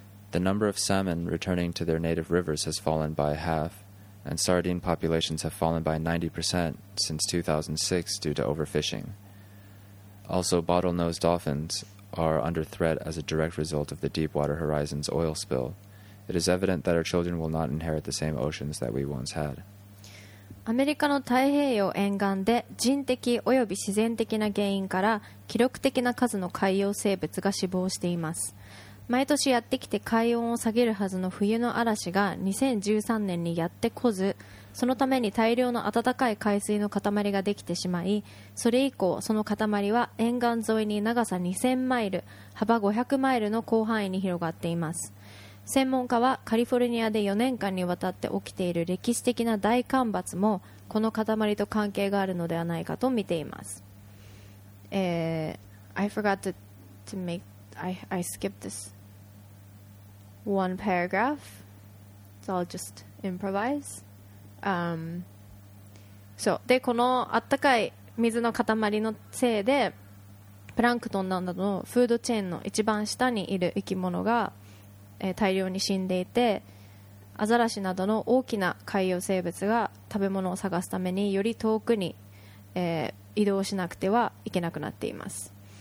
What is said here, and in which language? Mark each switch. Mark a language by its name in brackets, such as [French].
[English] The number of salmon returning to their native rivers has fallen by half, and sardine populations have fallen by 90% since 2006 due to overfishing. Also, bottlenose dolphins are under threat as a direct result of the Deepwater Horizon's oil spill. It is evident that our children will not inherit the same oceans that we once had. [Japanese] アメリカの太平洋沿岸で人的および自然的な原因から記録的な数の海洋生物が死亡しています。毎年やってきて海温を下げるはずの冬の嵐が2013年にやってこず、そのために大量の暖かい海水の塊ができてしまい、それ以降その塊は沿岸沿いに長さ2000マイル、幅500マイルの広範囲に広がっています。専門家はカリフォルニアで4年間にわたって起きている歴史的な大干ばつもこの塊と関係があるのではないかと見ています。 [English] I forgot to make I skipped this one paragraph. So I'll just improvise. [Japanese] So でこのあったかい水の塊のせいでプランクトンなどのフードチェーンの一番下にいる生き物が大量に死んでいて、アザラシなどの大きな海洋生物が食べ物を探すためにより遠くに、移動しなくてはいけなくなっています。